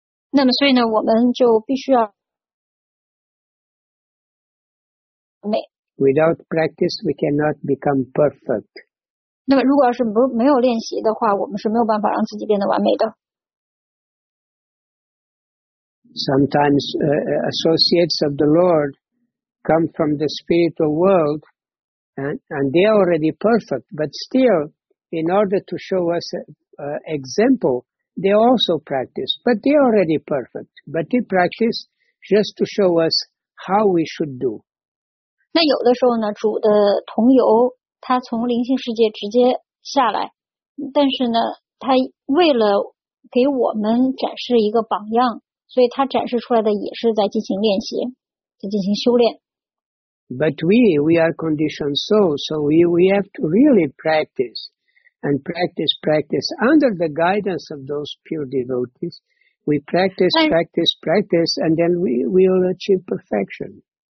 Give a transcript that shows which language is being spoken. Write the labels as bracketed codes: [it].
[zh] 那么所以呢，我们就必须要完美。 [en] Without practice, we cannot become perfect. [zh] 那么如果要是没有练习的话，我们是没有办法让自己变得完美的。 [en] Sometimes associates of the Lord come from the spiritual world and they are already perfect, but still, in order to show us an example, they also practice, but they are already perfect, but they practice just to show us how we should do. [zh] 那有的时候呢，主的同游他从灵性世界直接下来，但是呢，他为了给我们展示一个榜样，所以他展示出来的也是在进行练习，在进行修炼。 [en] But we are conditioned souls, so we have to really practice and practice under the guidance of those pure devotees. We practice, and then we will achieve perfection.